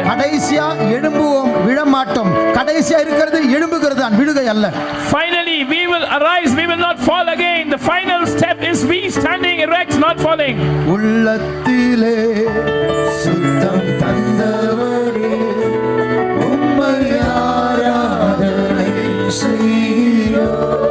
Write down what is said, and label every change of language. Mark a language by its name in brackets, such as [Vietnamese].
[Tamil] கடைசியா எழும்புவோம் விழமாட்டோம் கடைசியா இருக்கிறது எழும்புகிறதுதான் விழுகை அல்ல [English] finally we will arise we will not fall again the final step is we standing erect not falling [Tamil] உள்ளத்திலே சுத்தம் தந்தவரே உம்மை ஆராதனை செய்கிறோம்